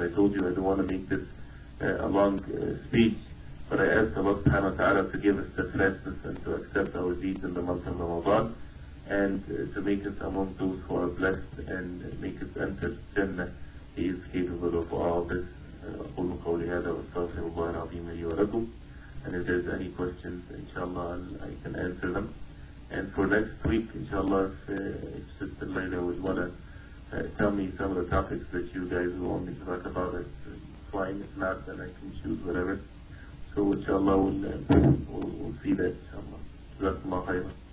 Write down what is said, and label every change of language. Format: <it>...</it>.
<en>As I told you, I don't want to make this a long speech, but I ask Allah subhanahu wa ta'ala to give us steadfastness and to accept our deeds in the month of Ramadan and to make us among those who are blessed and make us enter Jannah. He is capable of all this.</en> <ar>أقول قولي هذا وأستغفر الله العظيم لي ولكم.</ar> <en>And if there's any questions, inshallah, I can answer them. And for next week, inshallah, if Sister Laila would want to tell me some of the topics that you guys want me to talk about, it's fine. If not, then I can choose whatever. So inshallah, we'll see that, inshallah. JazakAllah khairan.</en>